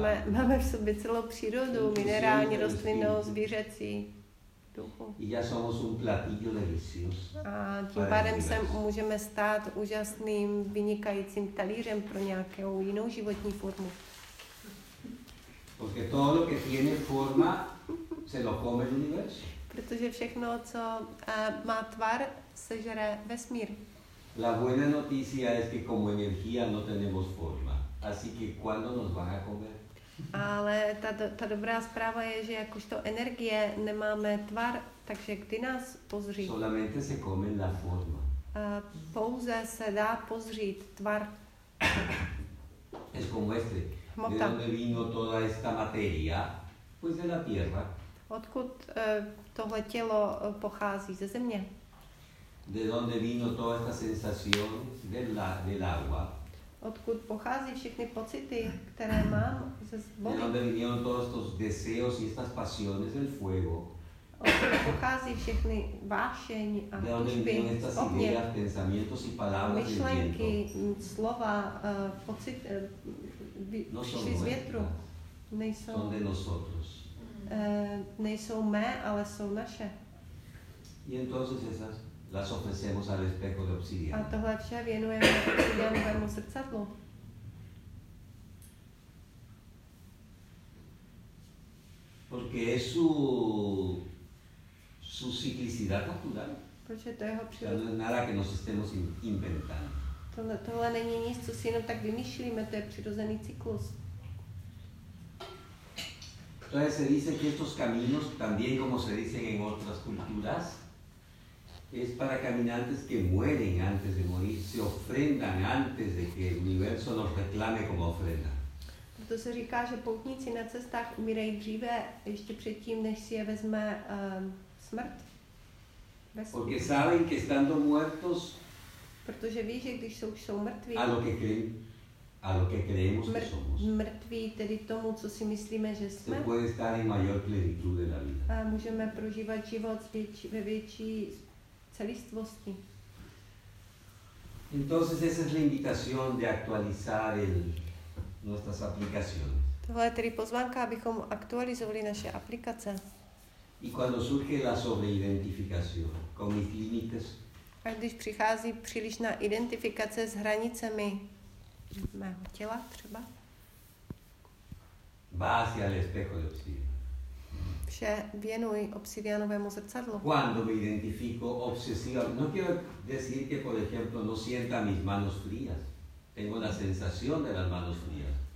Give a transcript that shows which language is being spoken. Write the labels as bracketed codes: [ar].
[cs] máme v sobě celou přírodu, minerální, rostlinnou, zvířecí. [es] Y ya somos un platillo delicioso. [cs] A tím pádem se můžeme stát úžasným, vynikajícím talířem pro nějakou jinou životní formu. [es] Porque todo lo que tiene forma se lo come el universo. [cs] Protože všechno, co má tvar, sežere vesmír. [es] La buena noticia es que como energía no tenemos forma. Así que ¿cuándo nos van a comer? [cs] Ale ta dobrá zpráva je, že jakožto energie nemáme tvar, takže kdy nás pozří? [es] Solamente se come la forma. [cs] Pouze se dá pozřít tvar. [es] Es como este. ¿De dónde vino toda esta materia? Pues de la tierra. [cs] Odkud tohle tělo pochází? Ze země. [es] ¿De dónde vino toda esta sensación? Del agua. [cs] Odkud pochází všechny pocity, které mám ze vody? [es] De dónde vinieron todos estos deseos y estas pasiones del fuego? [cs] Odkud pochází všechny vášeň a [es] de dónde vinieron estas ideas, pensamientos y palabras del viento? [cs] Myšlenky, slova, pocity, přišli z větru. Nejsou, [es] son de nosotros. [cs] Nejsou mé, ale jsou naše. [es] Y entonces esas, las ofrecemos al espejo de obsidiana. [cs] A tohle vše věnujeme obsidiánovému zrcadlu. [es] Porque es su ciclicidad natural. [cs] Proč je to jeho přírodní? To je [es] nada que nos estemos inventando. [cs] Tohle není nic, co si jenom tak vymýšlíme, to je přirozený cyklus. [es] Entonces se dice que estos caminos, también como se dicen en otras culturas, es para caminantes que mueren antes de morir, se ofrendan antes de que el universo nos reclame como ofrenda. [cs] Proto se říká, že poutníci na cestách umírají dříve, ještě předtím, než si je vezme smrt. [es] Porque saben que estando muertos, [cs] protože ví, že když jsou mrtví, [es] a lo que creemos que somos. [cs] Mrtví tedy tomu, co si myslíme, že jsme. [es] Se puede estar en mayor plenitud de la vida. [cs] A můžeme prožívat život ve větší celistvosti. [es] Entonces esa es la invitación de actualizar nuestras aplicaciones. [cs] Tohle je tedy pozvánka, abychom aktualizovali naše aplikace. [es] Y cuando surge la sobreidentificación con mis límites. [cs] A když přichází přílišná identifikace s hranicemi mého těla třeba. [es] Va hacia el espejo de obsidiana. [cs] Vše věnuj obsidianovému zrcadlu. [es] Cuando me identifico obsesivamente, no quiero decir que por ejemplo no sienta mis manos frías. Tengo la sensación de las manos frías.